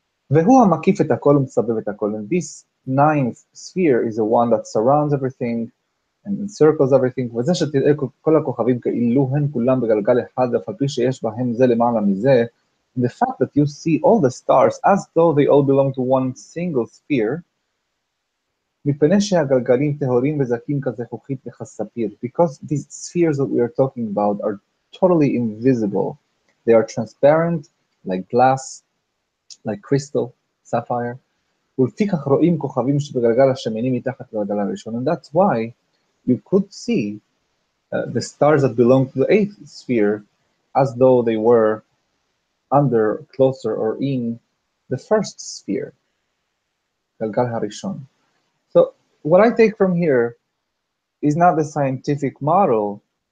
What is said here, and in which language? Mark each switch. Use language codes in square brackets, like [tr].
[he] והוא המקיף את הכל ומסבב את הכל. [en] And this ninth sphere is the one that surrounds everything and encircles everything. [he] וזה שתראה כל הכוכבים כאילו הן כולם בגלגל אחד, אף על פי שיש בהם זה למעלה מזה, [en] the fact that you see all the stars as though they all belong to one single sphere, [he] מפני שהגלגלים טהורים וזכים כזכוכית וכספיר, [en] because these spheres that we are talking about are totally invisible. They are transparent, like glass, like crystal, sapphire. [he] ולפיכך רואים כוכבים שבגלגל השמיני מתחת לגלגל הראשון. [en] And that's why you could see the stars that belong to the eighth sphere as though they were under, closer, or in the first sphere, [he] גלגל הראשון. [en] So what I take from here is not the scientific model.